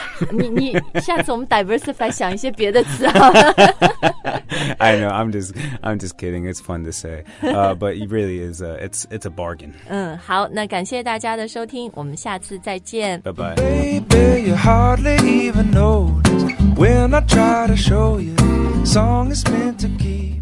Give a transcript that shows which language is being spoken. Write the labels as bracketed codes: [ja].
[zh] 你下次我们 diversify 想一些别的词 [en] 啊 I know I'm just kidding it's fun to say but it really is it's a bargain [zh] 好那感谢大家的收听我们下次再见 [en] bye bye baby you hardly even notice when I try to show you song is meant to keep